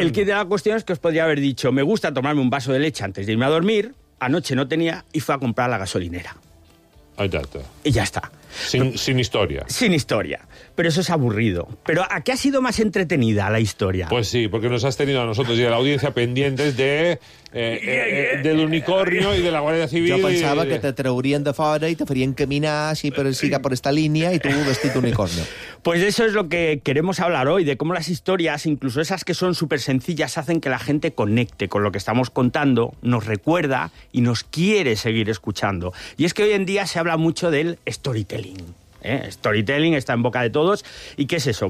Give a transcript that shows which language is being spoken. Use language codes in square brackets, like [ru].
[es] El quid de la cuestión es que os podría haber dicho, me gusta tomarme un vaso de leche antes de irme a dormir, anoche no tenía y fui a comprar la gasolinera. Ahí está. Y ya está. Sin historia. Pero eso es aburrido. ¿Pero a qué ha sido más entretenida la historia? Pues sí, porque nos has tenido a nosotros y a la audiencia pendientes de del unicornio y de la Guardia Civil. Yo pensaba que [ca] te traurien de fora i te farien caminar així per siga per esta línia i tu vestit d'unicornio. [es] Pues eso es lo que queremos hablar hoy, de cómo las historias, incluso esas que son súper sencillas, hacen que la gente conecte con lo que estamos contando, nos recuerda y nos quiere seguir escuchando. Y es que hoy en día se habla mucho del storytelling. Storytelling está en boca de todos. ¿Y qué es eso?